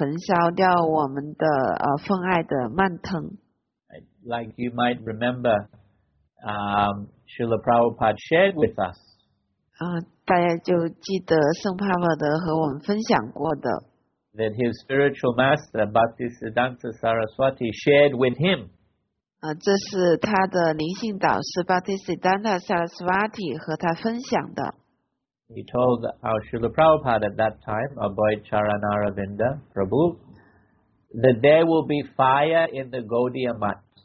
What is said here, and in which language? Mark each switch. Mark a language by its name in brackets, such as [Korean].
[Chinese] 这种冲突和批评也会焚烧掉我们的奉爱的蔓藤。 [English] Like you might remember, Srila Prabhupada shared with us. [Chinese] 大家就记得圣帕帕德和我们分享过的。 [English] That his spiritual master, Bhaktisiddhanta Saraswati, shared with him. [Chinese] 这是他的灵性导师 Bhaktisiddhanta Saraswati 和他分享的。 [English] He told our Srila Prabhupada at that time, Abhoit Charanaravinda Prabhu, that there will be fire in the Gaudiya Math.